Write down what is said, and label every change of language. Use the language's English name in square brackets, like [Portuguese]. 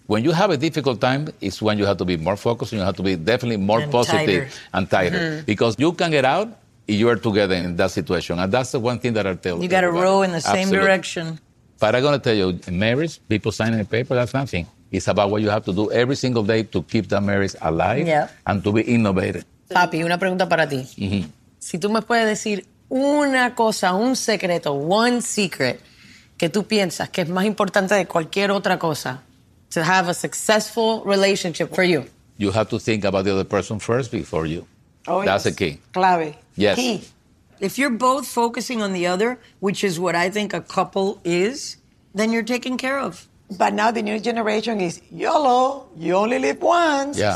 [English] When you have a difficult time, it's when you have to be more focused and you have to be definitely more positive and tighter. Mm-hmm. Because you can get out if you are together in that situation. And that's the one thing that I tell you. You got to row in the same Absolutely. Direction. But I'm going to tell you, marriage, people signing a paper, that's nothing. It's about what you have to do every single day to keep that marriage alive and to be innovative. [Spanish] Papi, una pregunta para ti. Mm-hmm. Si tú me puedes decir una cosa, un secreto, [English] one secret, [Spanish] que tú piensas que es más importante de cualquier otra cosa [English] to have a successful relationship for you. You have to think about the other person first before you. Oh, that's the key. [Spanish] Clave. [English] Yes. Key. If you're both focusing on the other, which is what I think a couple is, then you're taken care of. But now the new generation is YOLO, you only live once. Yeah.